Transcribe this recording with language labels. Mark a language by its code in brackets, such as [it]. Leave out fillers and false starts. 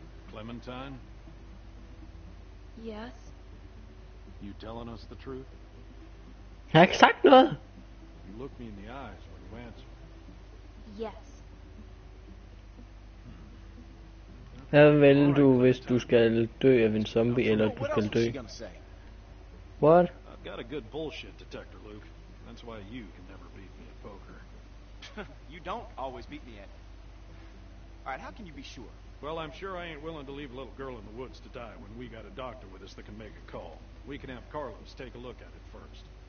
[en] Clementine? Yes? You telling us the truth? [da] Jeg har ikke sagt noget. [en] You look me in the eyes when you answer. Yes. [da] Hvad vil du, hvis du skal dø af en zombie, eller du skal dø? [en] What? I've got a good bullshit detector, Luke. That's why you can never beat me at poker. You don't always beat me at. Alright, how can you be sure? Well, I'm sure I ain't willing to leave a little girl in the woods to die when we got a doctor with us that can make a call. We can have Carlos take a look at it first.